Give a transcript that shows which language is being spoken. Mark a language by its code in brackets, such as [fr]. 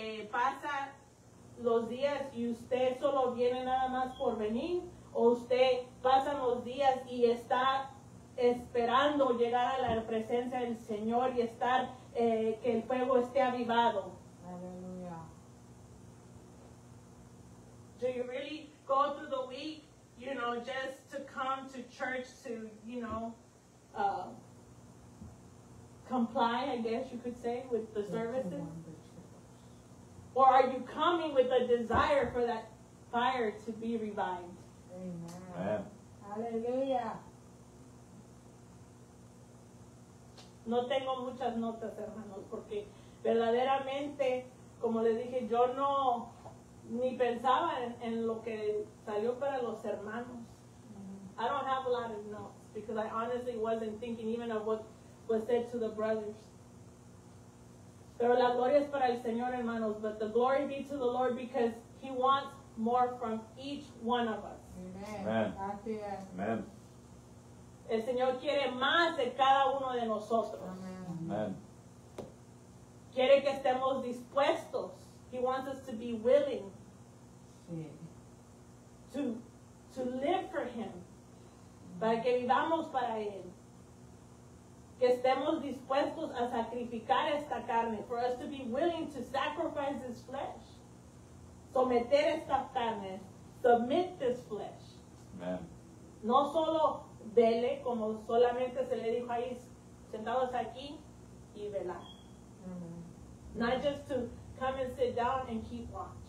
[es] pasa los días y usted solo viene nada más por venir, o usted pasa los días y está esperando llegar a la presencia del Señor y estar que el fuego esté avivado. Aleluya. [en] Do you really go through the week, you know, just to come to church to, you know, comply, I guess you could say, with the services? Or are you coming with a desire for that fire to be revived? Amen. Amen. Hallelujah. [es] No tengo muchas notas, hermanos, porque verdaderamente, como les dije, yo no ni pensaba en lo que salió para los hermanos. Mm-hmm. [en] I don't have a lot of notes because I honestly wasn't thinking even of what was said to the brothers. [es] Pero la gloria es para el Señor, hermanos. [en] But the glory be to the Lord because He wants more from each one of us. Amen. Amen. [es] El Señor quiere más de cada uno de nosotros. Amen. Quiere que estemos dispuestos. [en] He wants us to be willing. [es] Sí. [en] To live for Him. Amen. [es] Para que vivamos para Él. Que estemos dispuestos a sacrificar esta carne. [en] For us to be willing to sacrifice this flesh. [es] Someter esta carne. [en] Submit this flesh. Amen. [es] No solo dele, como solamente se le dijo ahí, sentados aquí y velar. Mm-hmm. [en] Not just to come and sit down and keep watch.